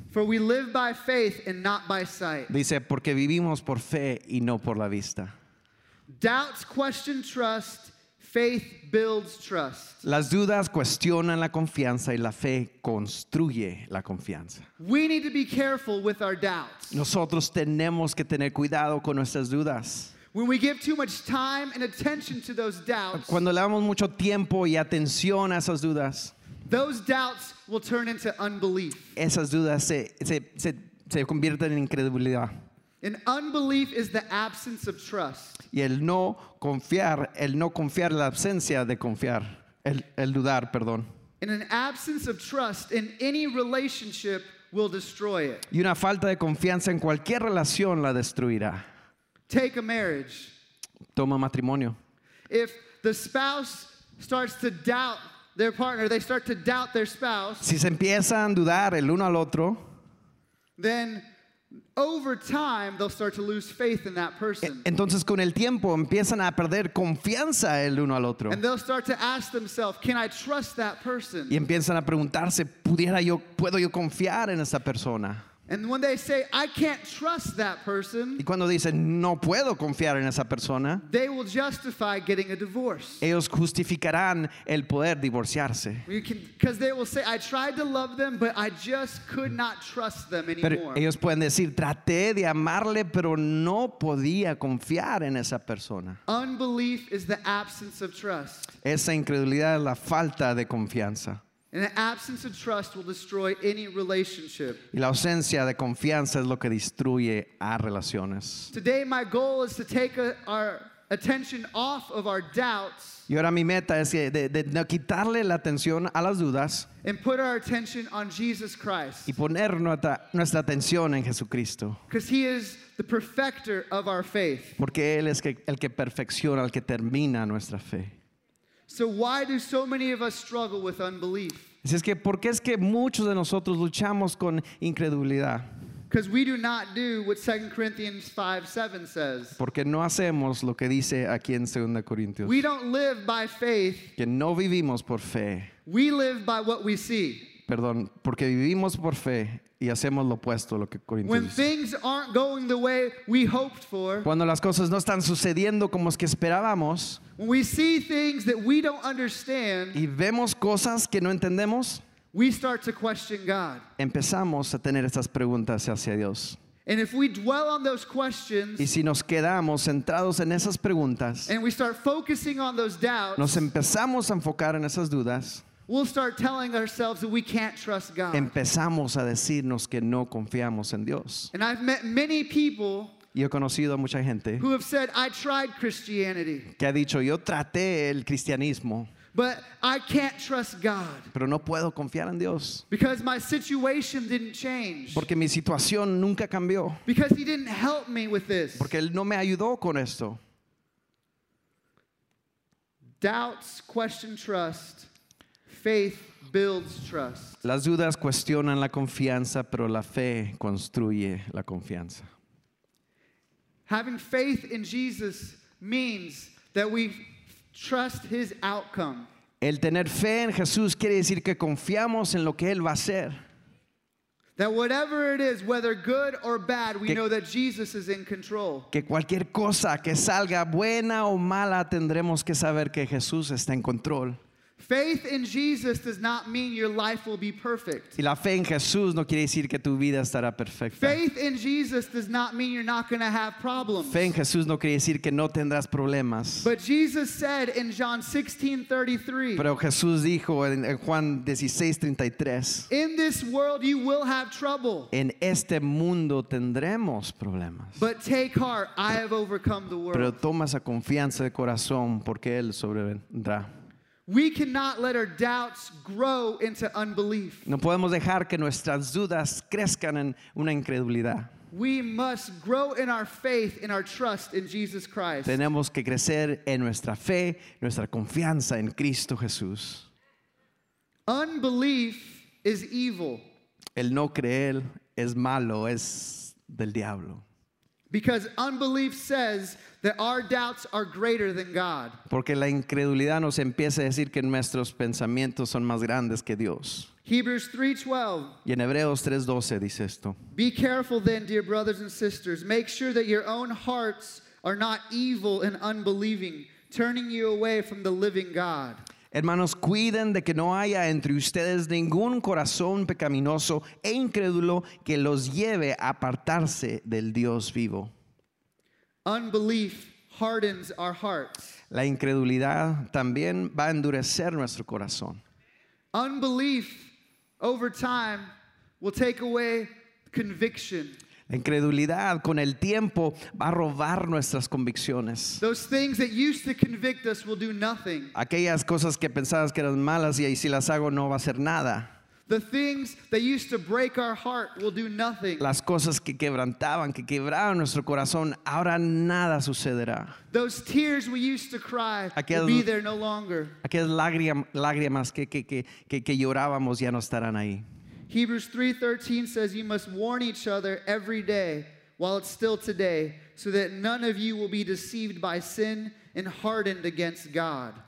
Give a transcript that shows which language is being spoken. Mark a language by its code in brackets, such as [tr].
[en] For we live by faith and not by sight. [es] Dice, porque vivimos por fe y no por la vista. [en] Doubts question trust, faith builds trust. [es] Las dudas cuestionan la confianza y la fe construye la confianza. [en] We need to be careful with our doubts. [es] Nosotros tenemos que tener cuidado con nuestras dudas. [en] When we give too much time and attention to those doubts, [es] cuando le damos mucho tiempo y atención a esas dudas, [en] those doubts will turn into unbelief. [es] Esas dudas se convierten en incredulidad. [en] And unbelief is the absence of trust. [es] Y el no confiar, la ausencia de confiar, el dudar, perdón. [en] And an absence of trust in any relationship will destroy it. [es] Y una falta de confianza en cualquier relación la destruirá. [en] Take a marriage. [es] Toma matrimonio. [en] If the spouse starts to doubt their partner, they start to doubt their spouse. [es] Si se empiezan a dudar el uno al otro, [en] then over time they'll start to lose faith in that person. [es] Entonces con el tiempo empiezan a perder confianza el uno al otro. [en] And they'll start to ask themselves, can I trust that person? [es] Y empiezan a preguntarse, ¿puedo yo confiar en esa persona? [en] And when they say, I can't trust that person, [es] y cuando dicen, no puedo confiar en esa persona, [en] they will justify getting a divorce. [es] Ellos justificarán el poder divorciarse. [en] Because they will say, I tried to love them, but I just could not trust them anymore. [es] Pero ellos pueden decir, traté de amarle, pero no podía confiar en esa persona. [en] Unbelief is the absence of trust. [es] Esa incredulidad es la falta de confianza. [en] And the absence of trust will destroy any relationship. [es] Y la ausencia de confianza es lo que destruye a relaciones. [en] Today my goal is to take our attention off of our doubts. [es] Y ahora mi meta es de no quitarle la atención a las dudas. [en] And put our attention on Jesus Christ. [es] Y poner nuestra atención en Jesucristo. [en] Because he is the perfecter of our faith. [es] Porque él es el que perfecciona, el que termina nuestra fe. [en] So why do so many of us struggle with unbelief? [es] Es que porque es que muchos de nosotros luchamos con incredulidad. [en] Because we do not do what 2 Corinthians 5:7 says. [es] Porque no hacemos lo que dice aquí en 2 Corintios. [en] We don't live by faith. [es] Que no vivimos por fe. [en] We live by what we see. [es] Perdón, porque vivimos por fe y hacemos lo opuesto a lo que Corintios. [en] When things aren't going the way we hoped for. [es] Cuando las cosas no están sucediendo como es que esperábamos. [en] When we see things that we don't understand. [es] Y vemos cosas que no entendemos. [en] We start to question God. [es] Empezamos a tener estas preguntas hacia Dios. [en] And if we dwell on those questions. [es] Y si nos quedamos centrados en esas preguntas. [en] And we start focusing on those doubts. [es] Nos empezamos a enfocar en esas dudas. [en] We'll start telling ourselves that we can't trust God. [es] Empezamos a decirnos que no confiamos en Dios. [en] And I've met many people. [es] Y he conocido a mucha gente [en] who have said, I tried Christianity. [es] Que ha dicho, yo traté el cristianismo. [en] But I can't trust God. [es] Pero no puedo confiar en Dios. [en] Because my situation didn't change. [es] Porque mi situación nunca cambió. [en] Because he didn't help me with this. [es] Porque él no me ayudó con esto. [en] Doubts question trust. Faith builds trust. [es] Las dudas cuestionan la confianza, pero la fe construye la confianza. [en] Having faith in Jesus means that we trust his outcome. [es] El tener fe en Jesús quiere decir que confiamos en lo que él va a hacer. [en] That whatever it is, whether good or bad, we know that Jesus is in control. [es] Que cualquier cosa que salga buena o mala, tendremos que saber que Jesús está en control. [en] Faith in Jesus does not mean your life will be perfect. [es] Y la fe en Jesús no quiere decir que tu vida estará perfecta. [en] Faith in Jesus does not mean you're not going to have problems. [es] Fe en Jesús no quiere decir que no tendrás problemas. [en] But Jesus said in John 16:33. [es] Pero Jesús dijo en Juan 16:33. [en] In this world you will have trouble. [es] En este mundo tendremos problemas. [en] But take heart, I have overcome the world. [es] Pero toma esa confianza de corazón porque él sobrevendrá. [en] We cannot let our doubts grow into unbelief. [es] No podemos dejar que nuestras dudas crezcan en una incredulidad. [en] We must grow in our faith and our trust in Jesus Christ. [es] Tenemos que crecer en nuestra fe, nuestra confianza en Cristo Jesús. [en] Unbelief is evil. [es] El no creer es malo, es del diablo. [en] Because unbelief says that our doubts are greater than God. [es] Porque la incredulidad nos empieza a decir que nuestros pensamientos son más grandes que Dios. [en] Hebrews 3:12. [es] Y en Hebreos 3:12 dice esto. [en] Be careful then, dear brothers and sisters. Make sure that your own hearts are not evil and unbelieving, turning you away from the living God. [es] Hermanos, cuiden de que no haya entre ustedes ningún corazón pecaminoso e incrédulo que los lleve a apartarse del Dios vivo. [en] Unbelief hardens our hearts. [es] La incredulidad también va a endurecer nuestro corazón. [en] Unbelief over time will take away conviction. [es] La incredulidad con el tiempo va a robar nuestras convicciones. [en] Those things that used to convict us will do nothing. [es] Aquellas cosas que pensabas que eran malas y si las hago no va a hacer nada. [en] The things that used to break our heart will do nothing. [es] Las cosas que quebrantaban, que quebraban nuestro corazón, ahora nada sucederá. [en] Those tears we used to cry will be there no longer. [es] Aquellas lágrimas que llorábamos ya no estarán ahí. [en] Hebrews 3:13 says you must warn each other every day while it's still today so that none of you will be deceived by sin and hardened against God.